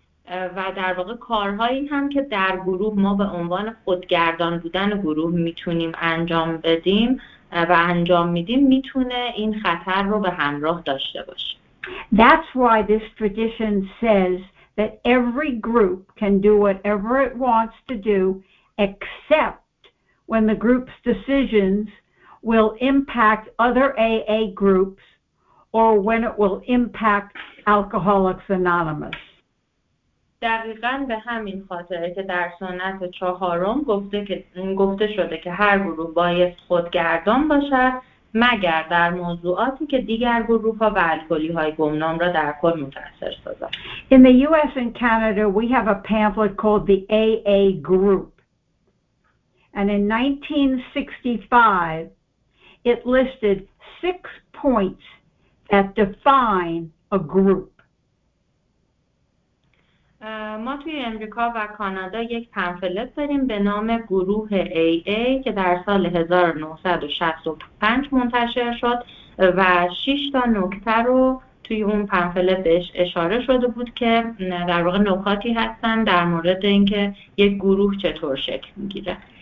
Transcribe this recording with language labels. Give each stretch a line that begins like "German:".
Persian: و در واقع کارهایی هم که در گروه ما به عنوان خودگردان بودن گروه میتونیم انجام بدیم و انجام میدیم میتونه این خطر رو به همراه داشته باشه.
English: That's why this tradition says that every group can do whatever it wants to do except when the group's decisions will impact other AA groups or when it will impact Alcoholics Anonymous.
Persian: دقیقا به همین خاطر که در سنت چهارم گفته شده که هر گروه باید خودگردان باشد مگر در موضوعاتی که دیگر گروه ها و الکلی های گمنام را در کل متأثر سازد.
English: In the US and Canada we have a pamphlet called the AA Group. And in 1965 it listed 6 points that define a group.
Persian: ما توی امریکا و کانادا یک پنفلت داریم به نام گروه AA که در سال 1965 منتشر شد و 6 تا نکته رو توی اون پنفلت بهش اشاره شده بود که در واقع نکاتی هستن در مورد اینکه یک گروه چطور شکل میگیره.